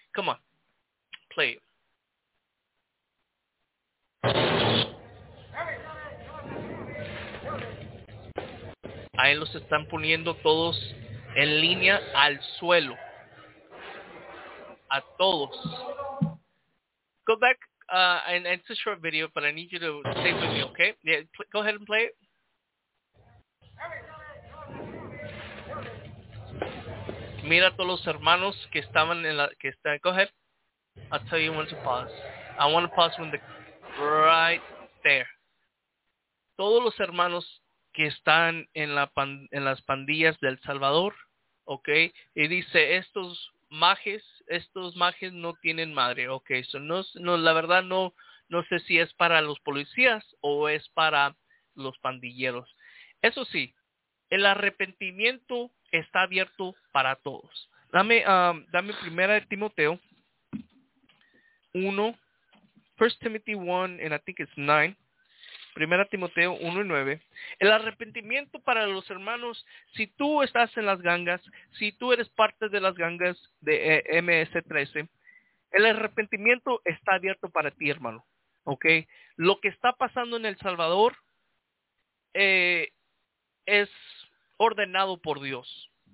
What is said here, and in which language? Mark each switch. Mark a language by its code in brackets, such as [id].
[en] Come on, play it. [es] Ahí los están poniendo todos en línea al suelo. A todos. [en] Go back. And it's a short video, but I need you to stay with me, okay? Yeah, go ahead and play it. [es] Mira a todos los hermanos que estaban en la... Que está, [en] go ahead. I'll tell you when to pause. I want to pause when the... Right there. [es] Todos los hermanos que están en las pandillas del Salvador... Okay, y dice estos majes no tienen madre. Okay, so no la verdad no sé si es para los policías o es para los pandilleros. Eso sí, el arrepentimiento está abierto para todos. Dame primera de Timoteo 1, [en] First Timothy 1 and I think it's 9. [es] Primera Timoteo 1:9. El arrepentimiento para los hermanos, si tú estás en las gangas, si tú eres parte de las gangas de MS-13, el arrepentimiento está abierto para ti, hermano. ¿Okay? Lo que está pasando en El Salvador es ordenado por Dios.